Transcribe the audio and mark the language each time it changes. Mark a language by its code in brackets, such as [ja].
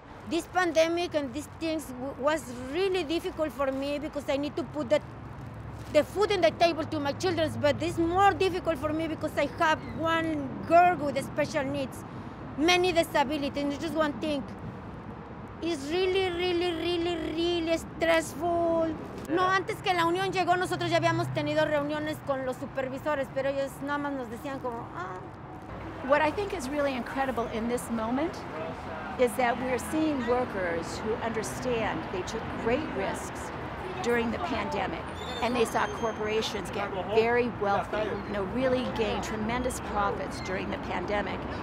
[en] This pandemic and these things was really difficult for me because I need to put the food on the table to my children, but this is more difficult for me because I have 1 girl with special needs, many disabilities, and just 1 thing. It's really, really, really, really stressful. Yeah. [es] No, antes que la unión llegó, nosotros ya habíamos tenido reuniones con los supervisores, pero ellos nada más nos decían como, ah. [en] What I think is really incredible in this moment is that we're seeing workers who understand they took great risks during the pandemic, and they saw corporations get very wealthy, you know, really gain tremendous profits during the pandemic.